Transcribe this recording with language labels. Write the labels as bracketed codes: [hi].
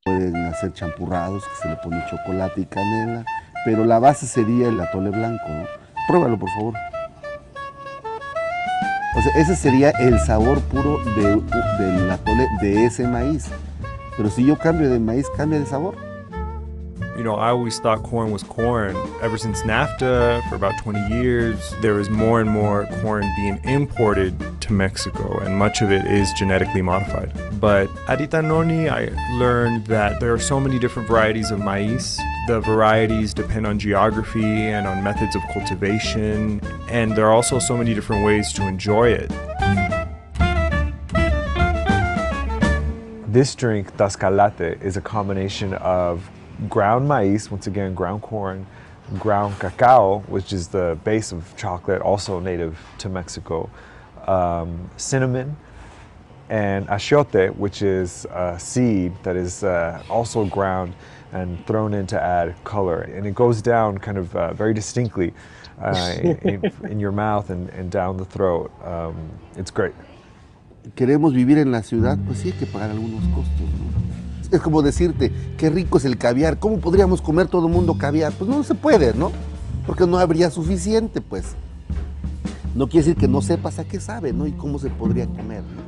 [es] Pueden hacer champurrados, que se le pone chocolate y canela. Pero la base sería el atole blanco, ¿no? Pruébalo, por favor. O sea, ese sería el sabor puro del atole de ese maíz. Pero si yo cambio de maíz, cambia de sabor. [en] You know, I always thought corn was corn. Ever since NAFTA, for about 20 years, there is more and more corn being imported to Mexico, and much of it is genetically modified. But at Itanoni, I learned that there are so many different varieties of maíz. The varieties depend on geography and on methods of cultivation, and there are also so many different ways to enjoy it. This drink, Tascalate, is a combination of ground maíz, once again, ground corn, ground cacao, which is the base of chocolate, also native to Mexico, cinnamon, and achiote, which is a seed that is also ground and thrown in to add color. And it goes down kind of very distinctly in your mouth and down the throat. It's great. [es] Queremos vivir en la ciudad, pues sí hay que pagar algunos costos, ¿no? Es como decirte, qué rico es el caviar, ¿cómo podríamos comer todo el mundo caviar? Pues no se puede, ¿no? Porque no habría suficiente, pues. No quiere decir que no sepas a qué sabe, ¿no? Y cómo se podría comer.